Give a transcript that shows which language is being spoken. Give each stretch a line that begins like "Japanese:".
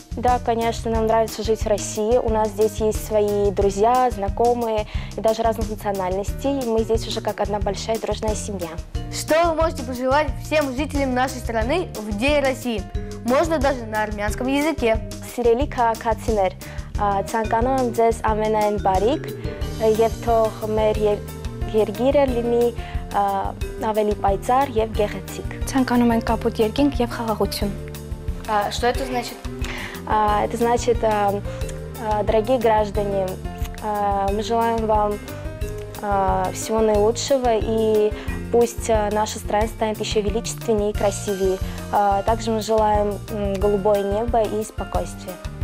Russian: Да, конечно, нам нравится жить в России. У нас здесь есть свои друзья, знакомые и даже разных национальностей. Мы здесь уже как одна большая дружная семья. Что вы можете пожелать всем жителям нашей страны в День России? Можно даже на армянском языке.
Armenian: Սիրելի քաղաքացիներ, ցանկանում եմ ձեզ ամենայն բարիք և թող մեր երկիրը լինի ավելի պայծառ և գեղեցիկ. Ցանկանում ենք կապուտ երկինք և խաղաղություն.
Russian: Что это значит? Это значит, дорогие граждане, мы желаем вам всего наилучшего, и пусть наша страна станет еще величественнее и красивее. Также мы желаем голубое небо и спокойствия.